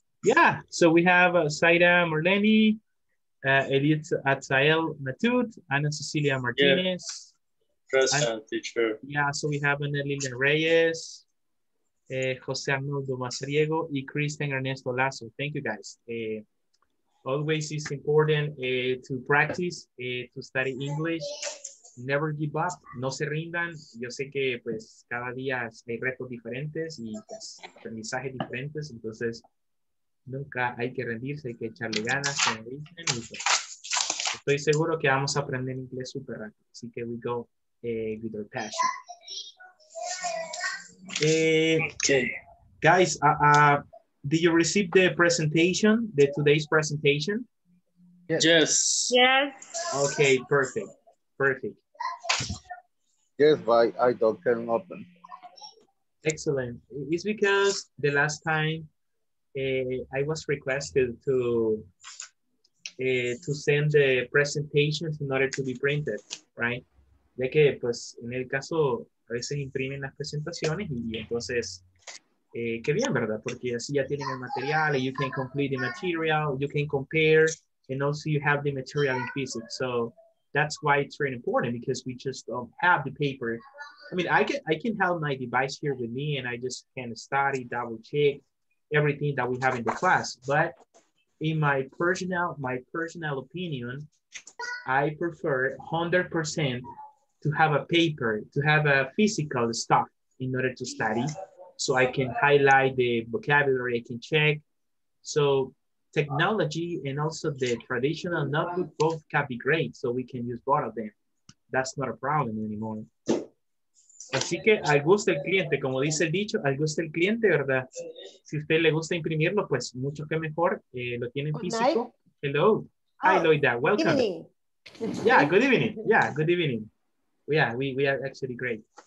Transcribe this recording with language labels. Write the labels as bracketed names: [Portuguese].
[English] Yeah, so we have Saira Marleni, Elliot Atzael Matut, Ana Cecilia Martinez. Yeah. Present, teacher. Yeah, so we have Lilian Reyes, Jose Arnoldo Mazariego, and Kristen Ernesto Lazo. Thank you, guys. Always it's important to practice, to study English. Never give up. [Spanish] No se rindan. Yo sé que pues cada día hay retos diferentes y pues, aprendizajes diferentes. Entonces, nunca hay que rendirse. Hay que echarle ganas. Pues, estoy seguro que vamos a aprender inglés súper rápido. Así que [English] we go. With our passion. Okay. Guys, did you receive the presentation, the today's presentation? Yes. Yes. Okay, perfect. Perfect. Yes, but I don't turn open. Excellent. It's because the last time I was requested to send the presentations in order to be printed, right? [Spanish] Ya que, pues, en el caso, a veces imprimen las presentaciones y entonces, qué bien, ¿verdad? Porque así ya tienen el material, [English] you can complete the material, you can compare, and also you have the material in physics. So that's why it's very important, because we just don't have the paper. I mean, I can have my device here with me and I just can study, double check everything that we have in the class. But in my personal opinion, I prefer 100% to have a paper, to have a physical stuff in order to study. So I can highlight the vocabulary, I can check. So technology and also the traditional notebook both can be great. So we can use both of them. That's not a problem anymore. [Spanish] Así que al gusto del cliente, como dice el dicho, al gusto del cliente, ¿verdad? Si usted le gusta imprimirlo, pues mucho que mejor, lo tienen físico. [English] Hello. Hi, Loida, welcome. Good evening. Yeah, good evening. Yeah, good evening. Yeah, we are actually great.